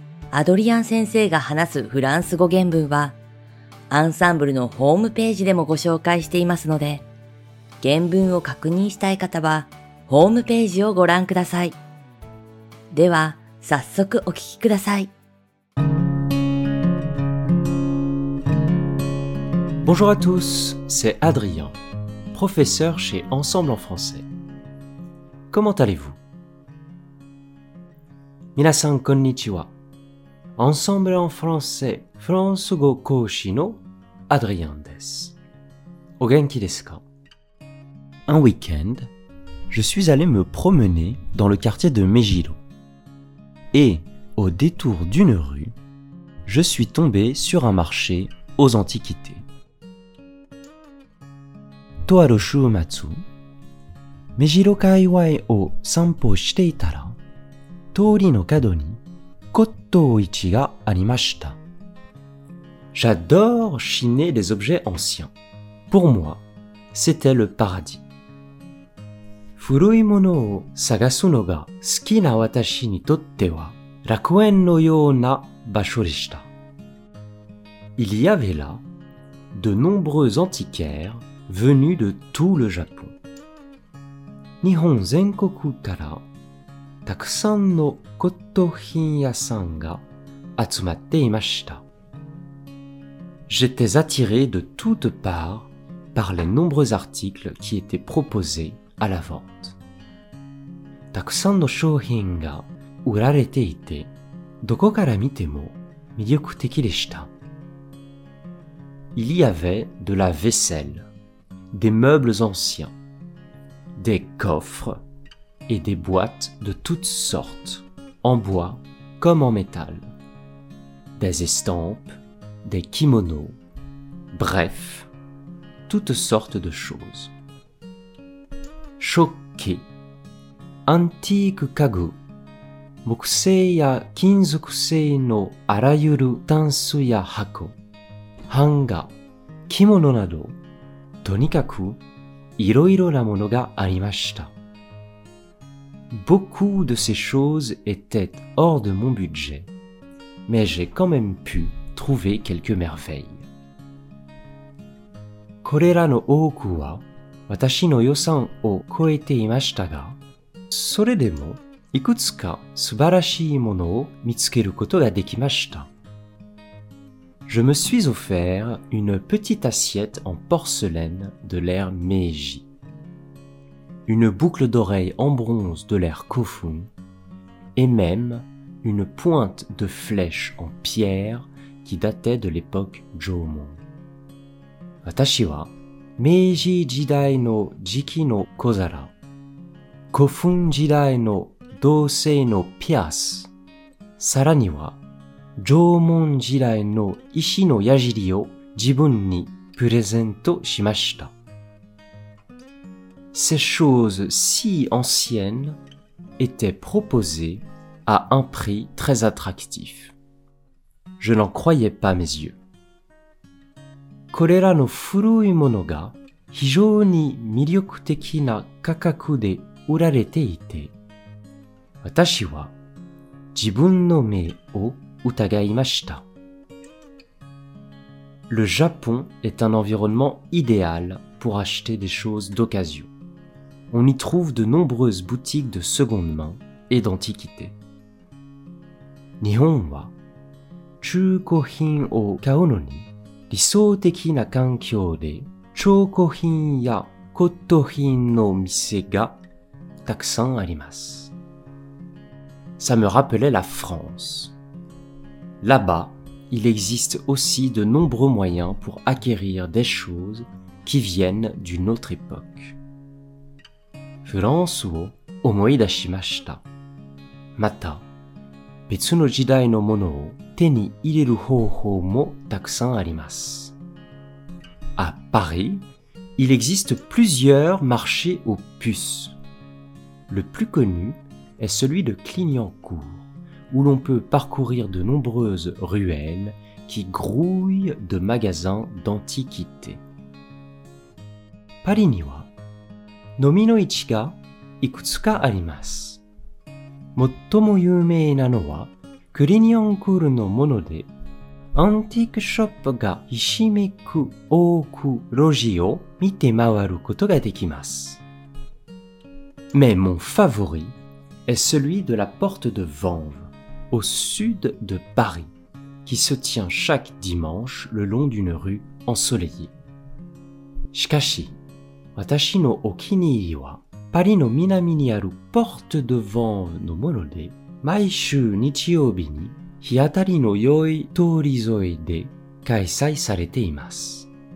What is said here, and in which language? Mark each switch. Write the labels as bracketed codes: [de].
[ja] アドリアン先生が話すフランス語原文はアンサンブルのホームページでもご紹介していますので、原文を確認したい方はホームページをご覧ください。では、早速お聞きください。 [fr] Bonjour à tous, c'est Adrien, professeur chez Ensemble en français. Comment allez-vous? [ja] 皆さん、こんにちは。 Ensemble en français, フランス語講師の Adrien です。お元気ですか? [fr] Un week-end,Je suis allé me promener dans le quartier de Mejiro. Et, au détour d'une rue, je suis tombé sur un marché aux antiquités. [ja] とある週末、目白界隈を散歩していたら、通りの角に骨董市がありました。 [fr] J'adore chiner les objets anciens. Pour moi, c'était le paradis. [ja] 古いものを探すのが好きな私にとっては楽園のような場所でした。 [fr] Il y avait là de nombreux antiquaires venus de tout le Japon. [ja] 日本全国からたくさんの骨董品屋さんが集まっていました。 [fr] J'étais attiré de toutes parts par les nombreux articles qui étaient proposés. À la vente. [ja] たくさんの商品が売られていて、どこから見ても魅力的でした。 [fr] Il y avait de la vaisselle, des meubles anciens, des coffres et des boîtes de toutes sortes, en bois comme en métal, des estampes, des kimonos, bref, toutes sortes de choses. Choqué. [ja] Antique 家具、木製や金属製のあらゆるタンスや箱、版画、着物など、とにかくいろいろなものがありました。 [fr] Beaucoup de ces choses étaient hors de mon budget, mais j'ai quand même pu trouver quelques merveilles. [ja] これらの多くは、私の予算を超えていましたが、それでもいくつか素晴らしいものを見つけることができました。 [fr] Je me suis offert une petite assiette en porcelaine de l'ère Meiji, une boucle d'oreille en bronze de l'ère Kofun, et même une pointe de flèche en pierre qui datait de l'époque Jōmon. [ja] 私は明治時代の磁器の小皿、古墳時代の銅製のピアス、さらには縄文時代の石の矢尻を自分にプレゼントしました。 [fr] Ces choses si anciennes étaient proposées à un prix très attractif. Je n'en croyais pas mes yeux. [ja] これらの古いものが非常に魅力的な価格で売られていて、私は自分の目を疑いました。 [fr] Le Japon est un environnement idéal pour acheter des choses d'occasion. On y trouve de nombreuses boutiques de seconde main et d'antiquité. [ja] 日本は中古品を買うのに、理想的な環境で、中古品や骨董品の店がたくさんあります。 [fr] ça me rappelait la France. Là-bas, il existe aussi de nombreux moyens pour acquérir des choses qui viennent d'une autre époque. [ja] フランスを思い出しました。また、別の時代のものを手に入れる方法もたくさんあります。 [fr] À Paris, il existe plusieurs marchés aux puces. Le plus connu est celui de Clignancourt, où l'on peut parcourir de nombreuses ruelles qui grouillent de magasins d'antiquités. [ja] パリには蚤の市がいくつかあります。最も有名なのはクリニアンクールのもので、アンティークショップがひしめく多く路地を見て回ることができます。 [fr] Mais mon favori est celui de la porte de Vanves, au sud de Paris, qui se tient chaque dimanche le long d'une rue ensoleillée. [ja] しかし、私のお気に入りは、パリの南にあるポートドヴァンヴのもので、毎週日曜日に日当たりの良い通り沿いで開催されています。